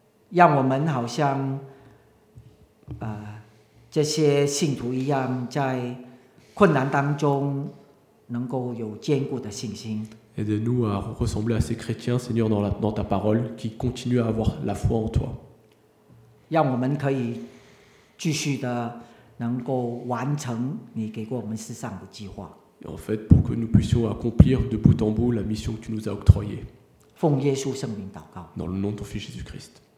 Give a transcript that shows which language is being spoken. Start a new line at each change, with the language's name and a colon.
Chinese: 让我们好像这些信徒一样，在困难当中。能够有坚固的信心。
French: Aide-nous à ressembler à ces chrétiens, Seigneur, dans ta parole, qui continuent à avoir la foi en toi.
Chinese: 让我们可以继续的能够完成你给过我们世上的计划。
French: En fait, pour que nous puissions accomplir de bout en bout la mission que tu nous as octroyée.
Chinese: 奉耶稣圣名祷告。
French: Dans le nom de ton Fils Jésus-Christ.